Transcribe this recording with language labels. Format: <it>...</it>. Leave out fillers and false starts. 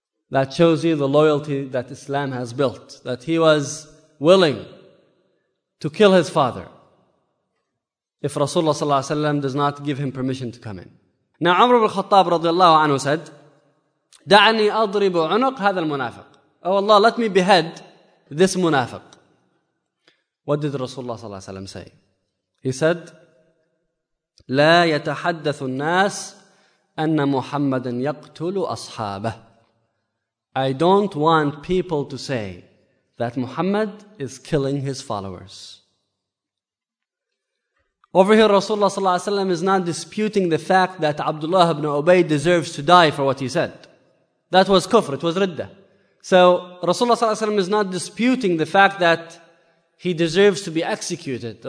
<en>That shows you the loyalty that Islam has built, that he was willing to kill his father if Rasulullah sallallahu alayhi wa sallam does not give him permission to come in. Now Umar ibn al-Khattab radiallahu anhu said,</en> <ar>دعني أضرب عنق هذا المنافق.</ar> <en>Oh Allah, let me behead this munafiq. What did Rasulullah sallallahu alayhi wa sallam say? He said,</en> <ar>لا يتحدث الناس أن محمد يقتل أصحابه.</ar> <en>I don't want people to say that Muhammad is killing his followers. Over here, Rasulullah sallallahu alayhi wa sallam is not disputing the fact that Abdullah ibn Ubay deserves to die for what he said. That was kufr, it was riddah. So Rasulullah sallallahu alayhi wa sallam is not disputing the fact that he deserves to be executed.</en>